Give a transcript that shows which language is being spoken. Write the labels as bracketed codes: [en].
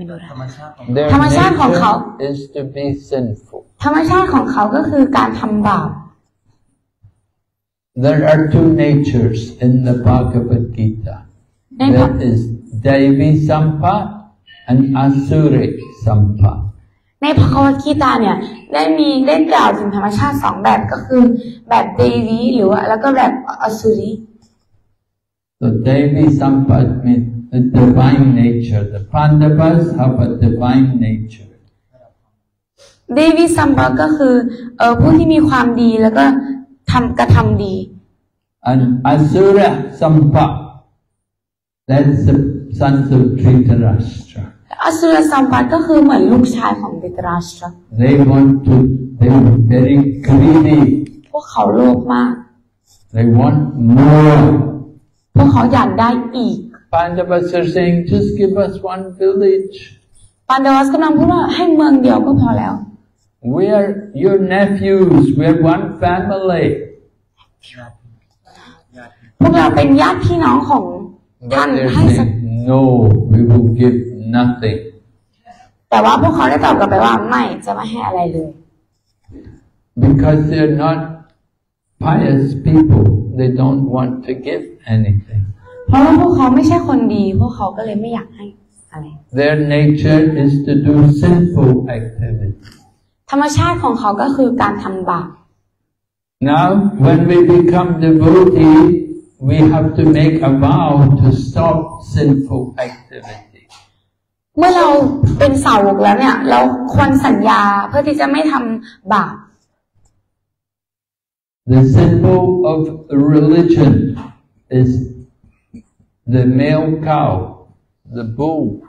[th] ธรรมชาติของเขา [en] is to be sinful [th] ธรรมชาติของเขาก็คือการทำบาป [en] There are two natures in the Bhagavad Gita that is Devi Sampa and Asuri Sampa [th] ในพระวจีตาเนี่ยได้กล่าวถึงธรรมชาติ2 แบบก็คือแบบ Devi หรือว่าแล้วก็แบบ Asuri [en] So Devi Sampa meansThe divine nature. The Pandavas have a divine nature. [th] Devi Sampa ก็คือผู้ที่มีความดีแล้วก็ทำกระทำดี [en] And Asura Sampa, that's the son of Dhritarashtra. [th] Asura Sampa ก็คือเหมือนลูกชายของ Dhritarashtra. [en] They want to. They are very greedy. [th] พวกเขาโลภมาก [en] They want more. [th] พวกเขาอยากได้อีก [en] Pandavas are saying, just give us 1 village. [th] Pandavas กำลังพูดว่าให้เมืองเดียวก็พอแล้ว [en] We are your nephews. We are 1 family. [th] พวกเราเป็นญาติพี่น้องของท่าน ให้สัก [en] But they're saying, no, we will give nothing. [th] แต่ว่าพวกเขาได้ตอบกลับไปว่าไม่จะไม่ให้อะไรเลย [en] Because they're not pious people. They don't want to give anything. [th] เพราะว่าพวกเขาไม่ใช่คนดีพวกเขาก็เลยไม่อยากให้อะไร [en] Their nature is to do sinful activity [th] ธรรมชาติของเขาก็คือการทำบาป [en] Now when we become devotee we have to make a vow to stop sinful activity [th] เมื่อเราเป็นสาวกแล้วเนี่ยเราควรสัญญาเพื่อที่จะไม่ทำบาป [en] The symbol of religion is the male cow, the bull.